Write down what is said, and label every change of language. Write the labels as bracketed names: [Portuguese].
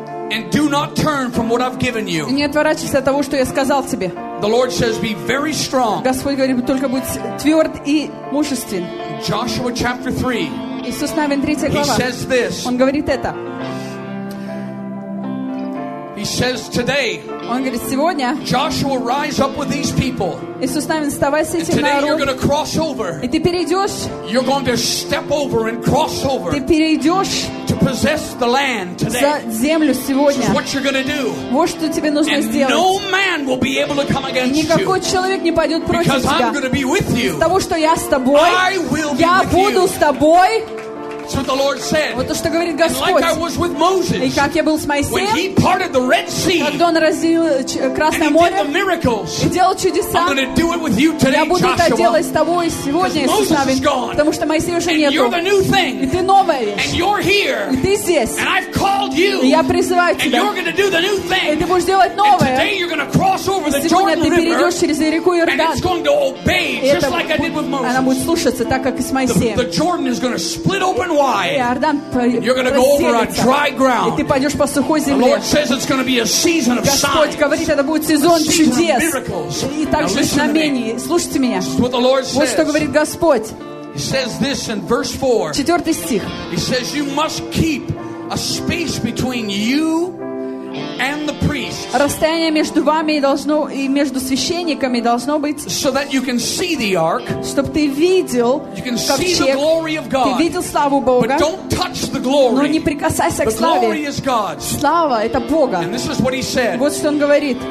[English] And do not turn from what I've given you. [Russian] Не отворачивайся от того, что я сказал тебе. [English] The Lord says, "Be very strong." [Russian] Господь говорит, только будь тверд и мужествен. [English] Joshua chapter 3. [Russian] Иисус Навин, 3 глава. [English] He says this. [Russian] Он говорит это. [English] He says today. [Russian] Он говорит сегодня. [English] Joshua, rise up with these people. [Russian] Иисус Навин, вставай с этим народом. [English] Today you're going to cross over. [Russian] И ты перейдешь. [English] You're going to step over and cross over. [Russian] Ты перейдешь. [English] Possess the land today. This is what you're going to do. [Russian] Вот что тебе нужно сделать. [English] No man will be able to come against you. [Russian] Никакой человек не пойдет против тебя. [English] Because I'm going to be with you. [Russian] Того, что я с тобой. [English] I will be with you. [Russian] Я буду с тобой. [English] That's what the Lord said. [Russian] Вот то, что говорит Господь. [English] And like I was with Moses. [Russian] И как я был с Моисеем. [English] When he parted the Red Sea. [Russian] Когда он разделил Красное море. [English] And he did the miracles. [Russian] И делал чудеса. [English] I'm going to do it with you today, [Russian] Я буду это делать с тобой сегодня, Иисус Навин. Потому что Моисея уже нету. [English] And you're the new thing. [Russian] И ты новая вещь. [English] And you're here. [Russian] И ты здесь. [English] And I've called you. [Russian] И я призываю тебя. [English] And you're going to do the new thing. [Russian] И ты будешь делать новое. [English] And today you're going to cross over the Jordan River. [Russian] Сегодня ты перейдешь через реку Иордан. [English] And it's going to obey, just like I did with Moses. [Russian] Она будет слушаться так, как и с Моисеем. [English] The Jordan is going to split open. Why? You're going to go over on dry ground. [Russian] Ты пойдешь по сухой земле. [English] The Lord says it's going to be a season of signs. [Russian] Господь говорит, это будет сезон чудес. И также знамений. Слушайте меня. Вот что говорит Господь. [English] He says this in verse 4. [Russian] Четвертый стих. [English] He says you must keep a space between you and the priests. [Russian] Расстояние между вами должно и между священниками должно быть. [English] So that you can see the ark. [Russian] Чтобы ты видел. [English] You can see the glory of God. [Russian] Ты видел славу Бога. [English] But don't touch the glory. [Russian] Но не прикасайся к славе. [English] The glory is God. [Russian] Слава это Бога. [English] And this is what he said. [Russian] Вот что он говорит.